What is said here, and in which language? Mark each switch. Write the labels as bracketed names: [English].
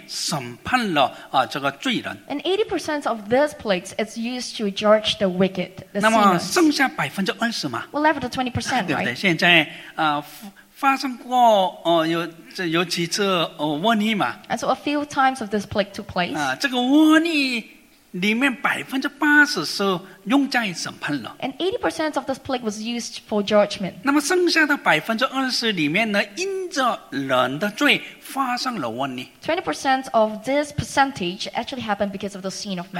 [Chinese] 大概80%是我们的上帝呢用瘟疫来审判了这个罪人。 [English] And 80% of these plagues is used to judge the wicked, the sinners. [Chinese] 那么剩下20%嘛? [English] Well, left the 20%, right? [Chinese] 对不对？现在发生过有几次瘟疫嘛? [English] And so a few times of this plague took place. [Chinese] 这个瘟疫里面80%是用在审判了。 [English] And 80% of this plague was used for judgment. [Chinese] 那么剩下的20%里面呢，因着人的罪发生了瘟疫。 [English] 20% of this percentage actually happened because of the sin of man.